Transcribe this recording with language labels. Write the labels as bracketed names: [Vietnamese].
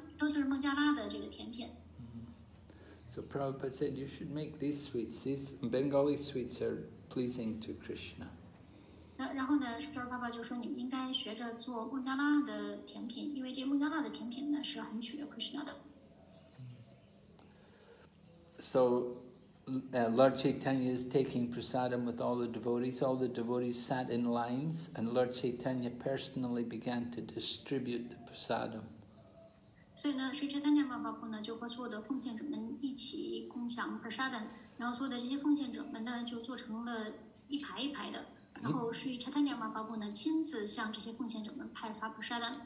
[Chinese] 都是孟加拉的这个甜品。 [English] So Prabhupada said you should make these sweets. These Bengali sweets are pleasing to Krishna. [Chinese] 然后呢，舍尔巴巴就说你们应该学着做孟加拉的甜品，因为这孟加拉的甜品呢是很取悦 Krishna 的。 [English] So, Lord Chaitanya is taking prasadam with all the devotees. All the devotees sat in lines, and Lord Chaitanya personally began to distribute the prasadam. [Chinese] So, Sri Chaitanya Mahaprabhu 呢就和所有的奉献者们一起共享 prasadam， 然后所有的这些奉献者们呢就做成了一排一排的，然后 Sri Chaitanya Mahaprabhu 呢亲自向这些奉献者们派发 prasadam。